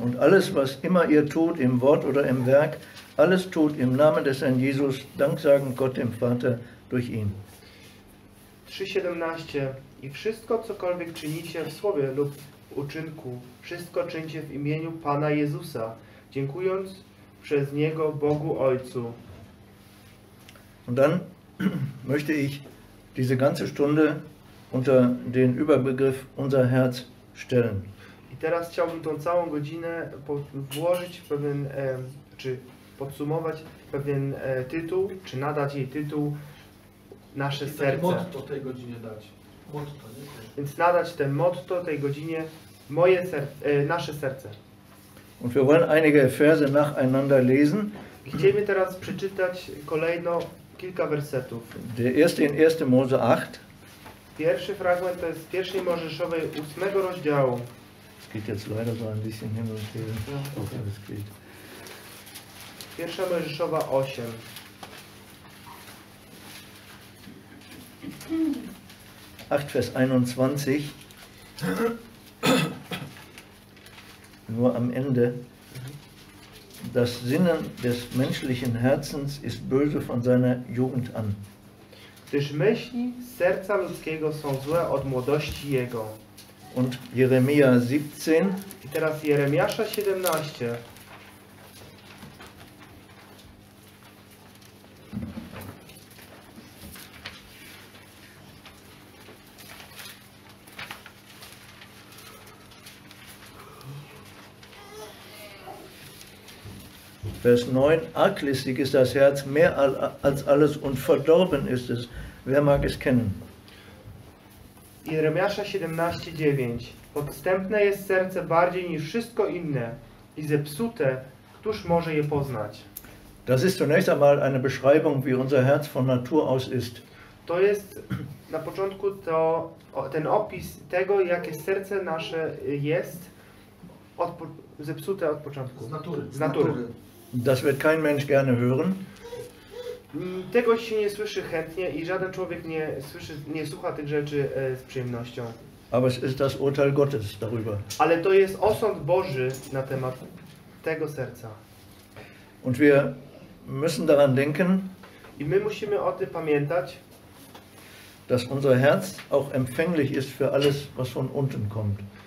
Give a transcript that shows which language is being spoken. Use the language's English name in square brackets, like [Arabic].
[German] Und alles, was immer ihr tut, im Wort oder im Werk, alles tut im Namen des Herrn Jesus, danksagen Gott dem Vater durch ihn. 3,17. [Polish] I wszystko, cokolwiek czynicie w słowie lub uczynku, wszystko czyńcie w imieniu Pana Jezusa, dziękując przez Niego Bogu Ojcu. [German] Und dann möchte ich diese ganze Stunde unter den Überbegriff unser Herz stellen. [Polish] I teraz chciałbym tą całą godzinę włożyć w pewien, czy podsumować pewien tytuł, czy nadać jej tytuł Nasze serce. Motto tej godzinie dać. Motto, nie? Więc nadać ten motto tej godzinie moje serce, nasze serce. [German] Und wir wollen einige Verse nacheinander lesen. [Polish] Chcemy teraz przeczytać kolejno kilka wersetów. [German] Der erste in 1. Mose 8. [Polish] Pierwszy fragment to jest z 1. Mojżeszowej 8 rozdziału. [German] Es geht jetzt leider so ein bisschen hin und her. Okay. Es geht. [Polish] 1. Mojżeszowa 8. [German] Vers 21. Nur am Ende. Das Sinnen des menschlichen Herzens ist böse von seiner Jugend an. [Polish] Gdyż myśli serca ludzkiego są złe od młodości jego. [German] Und Jeremia 17. [Polish] I teraz Jeremiasza 17. [German] Vers 9, arglistig ist das Herz mehr als alles und verdorben ist es. Wer mag es kennen? [Polish] Jeremiasza 17,9. Podstępne jest serce bardziej niż wszystko inne i zepsute, któż może je poznać? [German] Das ist zunächst einmal eine Beschreibung, wie unser Herz von Natur aus ist. [Polish] To jest na początku to, ten opis tego, jakie serce nasze jest od, zepsute od początku. Z natury. [German] Das wird kein Mensch gerne hören. [Polish] Tego się nie słyszy chętnie i żaden człowiek nie słyszy, nie słucha tych rzeczy z przyjemnością. [German] Aber es ist das Urteil Gottes darüber. [Polish] Ale to jest osąd Boży na temat tego serca. [German] Und wir müssen daran denken, [Polish] i my musimy o tym pamiętać, [German] dass unser Herz auch empfänglich ist für alles, was von unten kommt.